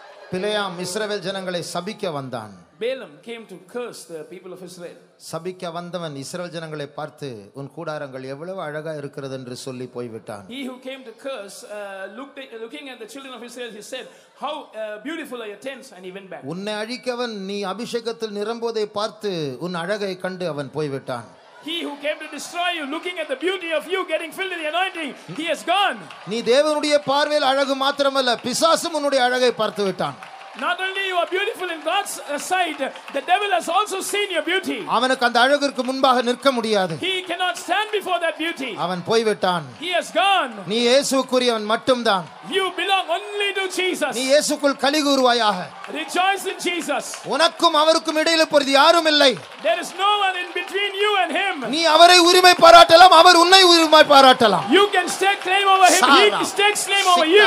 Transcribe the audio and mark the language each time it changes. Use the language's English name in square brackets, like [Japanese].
[Tamil] பிலேயாம் இஸ்ரவேல் ஜனங்களை சபிக்க வந்தான். [English] Balaam came to curse the people of Israel. [Tamil] சபிக்க வந்தவன் இஸ்ரவேல் ஜனங்களை பார்த்து உன் கூடாரங்கள் எவ்வளவு அழகா இருக்கிறது என்று சொல்லி போய்விட்டான். [English] He who came to curse looking at the children of Israel, he said, how beautiful are your tents, and he went back. [Tamil] உன்னை அழிக்கவன் நீ அபிஷேகத்தில் நிரம்புவதை பார்த்து உன் அழகை கண்டு அவன் போய்விட்டான். [English] He who came to destroy you, looking at the beauty of you getting filled with the anointing, he has gone. [Tamil] நீ தேவனுடைய பார்வையில் அழகு மாத்திரமல்ல, பிசாசும் உன்னுடைய அழகை பார்த்து விட்டான். [English] Not only you are beautiful in God's sight, the devil has also seen your beauty. [Tamil] அவனுக்கு அந்த அழகிற்கு முன்பாக நிற்க முடியாது. [English] He cannot stand before that beauty. [Tamil] அவன் போய் விட்டான். [English] He has gone. [Tamil] நீ இயேசுவுக்குரியவன் மட்டும்தான். [English] You belong only to Jesus. [Tamil] நீ இயேசுக்குள் கலிகூறுவாயாக. [English] Rejoice in Jesus. [Tamil] உனக்கும் அவருக்கும் இடையில பொருள் யாரும் இல்லை. [English] There is no one in between you and him. [Tamil] நீ அவரை உரிமை பாராட்டலாம், அவர் உன்னை உரிமை பாராட்டலாம். [English] You can stake claim over him. He can stake claim over you.